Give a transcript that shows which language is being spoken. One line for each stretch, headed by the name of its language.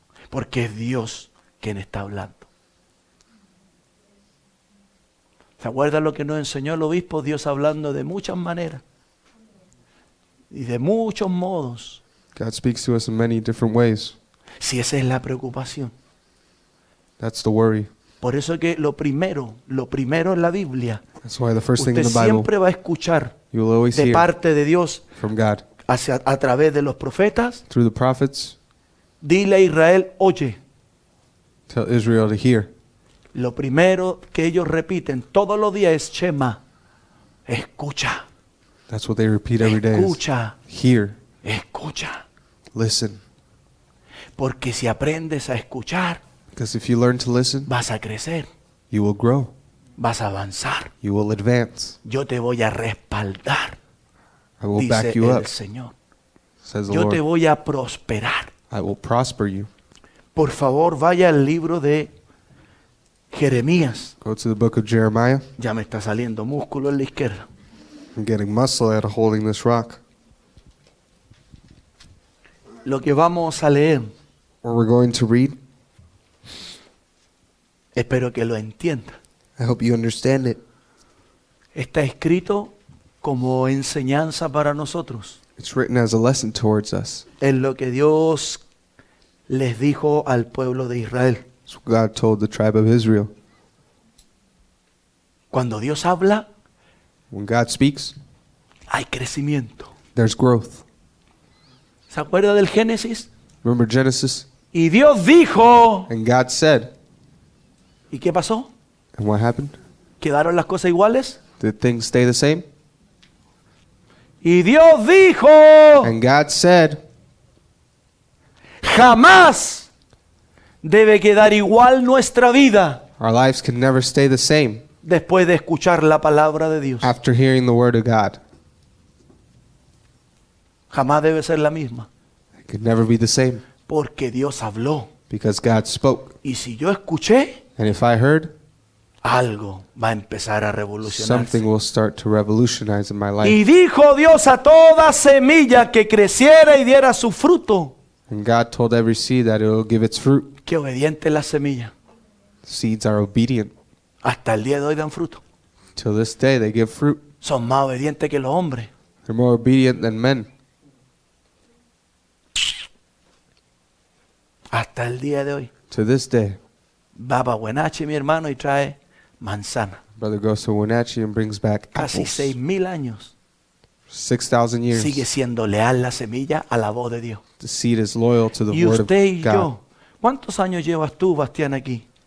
Spanish: Porque es Dios quien está hablando. ¿Se acuerda lo que nos enseñó el obispo? Dios hablando de muchas maneras y de muchos modos.
English: God speaks to us in many different ways.
Spanish: Si esa es la preocupación.
English: That's the worry.
Spanish: Por eso que lo primero en la Biblia.
English: That's why the first thing in the Bible.
Spanish: Usted siempre va a escuchar de parte de Dios,
English: from God,
Spanish: hacia, a través de los profetas.
English: Through the prophets.
Spanish: Dile a Israel, oye.
English: Tell Israel to hear.
Spanish: Lo primero que ellos repiten todos los días es Shema. Escucha.
English: That's what they repeat every day.
Spanish: Escucha.
English: Hear.
Spanish: Escucha.
English: Listen.
Spanish: Porque si aprendes a escuchar,
English: because if you learn to listen,
Spanish: vas a crecer.
English: You will grow.
Spanish: Vas a avanzar.
English: You will advance.
Spanish: Yo te voy a respaldar.
English: I will back you up.
Spanish: Dice el Señor.
English: Says the Lord.
Spanish: Yo te voy a prosperar.
English: I will prosper you.
Spanish: Por favor, vaya al libro de Jeremías.
English: Go to the book of Jeremiah.
Spanish: Ya me está saliendo músculo en la izquierda.
English: I'm getting muscle out of holding this rock.
Spanish: Lo que vamos a leer.
English: What we're going to read.
Spanish: Espero que lo entienda.
English: I hope you understand it.
Spanish: Está escrito como enseñanza para nosotros.
English: It's written as a lesson towards us.
Spanish: Es lo que Dios les dijo al pueblo de Israel.
English: It's what God told the tribe of Israel.
Spanish: Cuando Dios habla,
English: when God speaks,
Spanish: hay crecimiento.
English: There's growth.
Spanish: ¿Se acuerda del Génesis?
English: Remember Genesis?
Spanish: Y Dios dijo.
English: And God said.
Spanish: ¿Y qué pasó?
English: And what happened?
Spanish: ¿Quedaron las cosas iguales?
English: Did things stay the same?
Spanish: Y Dios dijo.
English: And God said.
Spanish: Jamás debe quedar igual nuestra vida.
English: Our lives can never stay the same.
Spanish: Después de escuchar la palabra de Dios.
English: After hearing the word of God.
Spanish: Jamás debe ser la misma.
English: It could never be the same.
Spanish: Porque Dios habló.
English: Because God spoke.
Spanish: Y si yo escuché.
English: And if I heard.
Spanish: Algo va a empezar a revolucionarse.
English: Something will start to revolutionize in my life.
Spanish: Y dijo Dios a toda semilla que creciera y diera su fruto.
English: And God told every seed that it will give its fruit.
Spanish: Qué obediente la semilla.
English: Seeds are obedient.
Spanish: Hasta el día de hoy dan fruto.
English: Till this day they give fruit.
Spanish: Son más obedientes que los hombres.
English: They're more obedient than men.
Spanish: Hasta el día de hoy.
English: To this day.
Spanish: Va para Huenache, mi hermano, y trae manzana.
English: Brother goes to Huenache and brings back apples.
Spanish: Casi 6,000 años.
English: 6,000 years.
Spanish: Sigue siendo leal la semilla a la voz de Dios.
English: The seed is loyal to the
Spanish: y
English: word
Spanish: usted y
English: of God.
Spanish: Yo, ¿cuántos años llevas tú, Bastián, aquí?